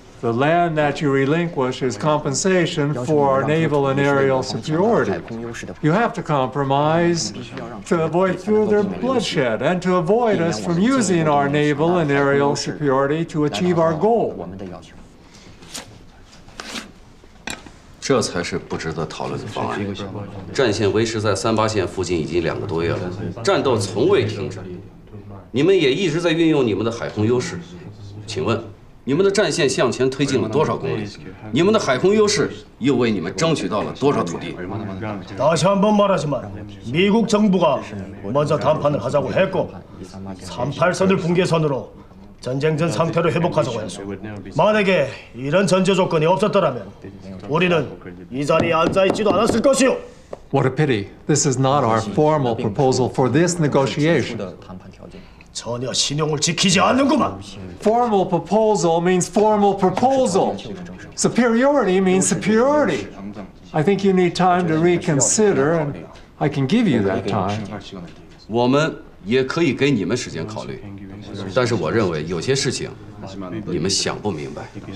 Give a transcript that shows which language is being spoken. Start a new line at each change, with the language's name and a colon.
English: The land that you relinquish is compensation for our naval and aerial superiority. You have to compromise to avoid further bloodshed and to avoid us from using our naval and aerial superiority to achieve our goal.
Chinese: 这才是不值得讨论的方案。战线维持在三八线附近已经两个多月了，战斗从未停止。你们也一直在运用你们的海空优势。请问，你们的战线向前推进了多少公里？你们的海空优势又为你们争取到了多少土地？
Korean: 다시한번말하지만미국정부가먼저담판을하자고했고38선을붕괴선으로전쟁전상태로회복하자고했소만약에이런전제조건이없었더라면우리는이자리에앉아있지도않았을것이오
English: What a pity. This is not our formal proposal for this negotiation.
Korean: 전혀신용을지키지않는구만
English: Formal proposal means formal proposal. Superiority means superiority. I think you need time to reconsider, and I can give you that time.
Chinese: 我们也可以给你们时间考虑。但是我认为有些事情你们想不明白。